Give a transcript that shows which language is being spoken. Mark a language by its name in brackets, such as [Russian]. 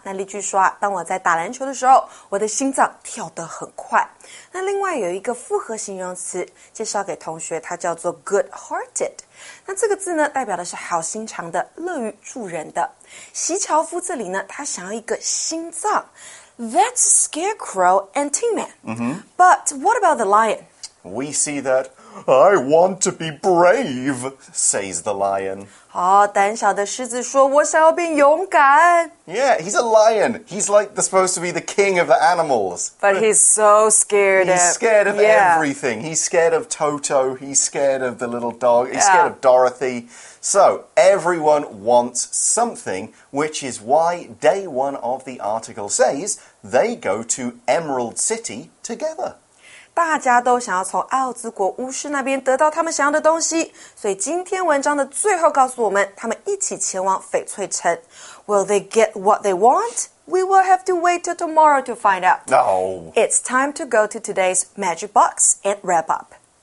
[Chinese] 那例句说啊，当我在打篮球的时候，我的心脏跳得很快。那另外有一个复合形容词介绍给同学，它叫做 good-hearted。那这个字呢，代表的是好心肠的、乐于助人的。西樵夫这里呢，他想要一个心脏， [English] That's Scarecrow and Tin Man. Mm-hmm. But what about the lion? We see that I want to be brave, says the lion. [Chinese] 好、oh, 胆小的狮子说我想要变勇敢。 [English] Yeah, he's a lion. He's like the, supposed to be the king of the animals. But he's so scared. He's scared of、yeah. everything. He's scared of Toto. He's scared of the little dog. He's、yeah. scared of Dorothy. So everyone wants something, which is why day one of the article says they go to Emerald City together. [Chinese] 大家都想要从艾奥兹国巫师那边得到他们想要的东西，所以今天文章的最后告诉我们，他们一起前往翡翠城。 [English] Will they get what they want? We will have to wait till tomorrow to find out. No. It's time to go to today's magic box and wrap up.